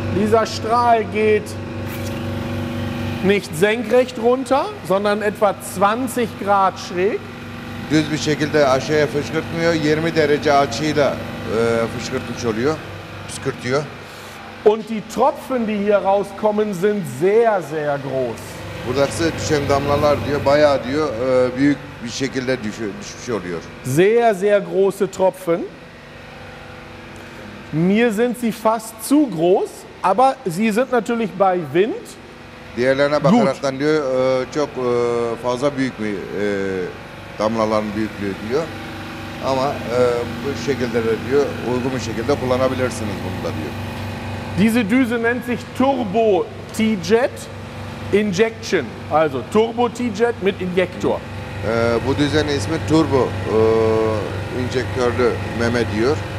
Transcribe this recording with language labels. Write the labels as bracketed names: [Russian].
[German] Dieser Strahl geht nicht senkrecht runter, sondern etwa 20 Grad schräg. [Turkish] Düz bir şekilde aşağıya fışkırtmıyor. 20 derece açıyla fışkırtmış oluyor. Fışkırtıyor. [German] Und die Tropfen, die hier rauskommen, sind sehr, sehr groß. [Turkish] Buradaki düşen damlalar diyor, bayağı diyor, büyük bir şekilde düşmüş oluyor. [German] Sehr, sehr große Tropfen. Mir sind sie fast zu groß, aber sie sind natürlich bei Wind. [Turkish] Diğerlerine bakaraktan diyor, çok fazla büyük mü damlaların büyüklüğü diyor. Ama bu şekilde de diyor, uygun bir şekilde kullanabilirsiniz bunu da diyor. [German] Diese Düse nennt sich Turbo T-Jet Injection. Also Turbo T-Jet mit Injektor. [Turkish] Bu düzenin ismi Turbo injektörlü meme diyor.